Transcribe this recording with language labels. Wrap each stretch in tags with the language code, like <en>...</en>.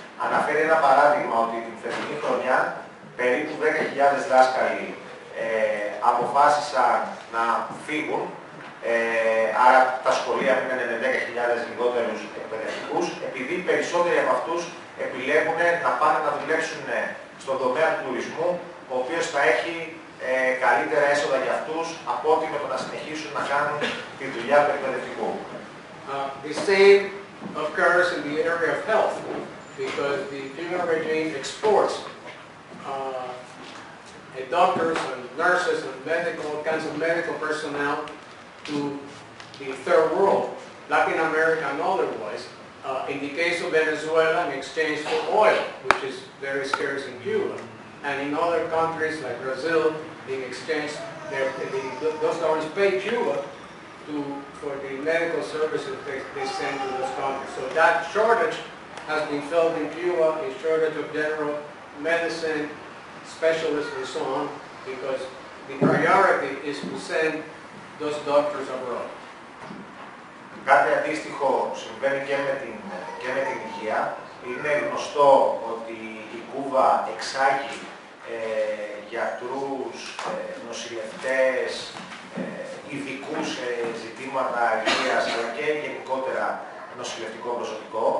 <el>Αναφέρει ένα παράδειγμα ότι την φετινή χρονιά περίπου 10.000 δάσκαλοι αποφάσισαν να φύγουν, άρα τα σχολεία μείνανε με 10.000 λιγότερους εκπαιδευτικούς, επειδή περισσότεροι από αυτούς επιλέγουν να πάνε να δουλέψουν στον τομέα του τουρισμού, ο οποίος θα έχει καλύτερα έσοδα για αυτούς από ό,τι με το να συνεχίσουν να κάνουν τη δουλειά του εκπαιδευτικού.</el> <en>The same occurs in the area of health, because the human regime exports doctors and nurses and medical personnel to the third world, Latin America and otherwise. In the case of Venezuela, in exchange for oil, which is very scarce in Cuba, and in other countries like Brazil, in exchange, those governments pay Cuba for the medical services they send to those countries. So that shortage has been felt in Cuba, a shortage of general medicine specialists and so on, because the priority is to send those doctors abroad.</en> <el>Κάτι αντίστοιχο συμβαίνει και με την υγεία. Είναι γνωστό ότι η Κούβα εξάγει γιατρούς, νοσηλευτές, ειδικούς σε ζητήματα υγείας, αλλά και γενικότερα νοσηλευτικό προσωπικό.</el>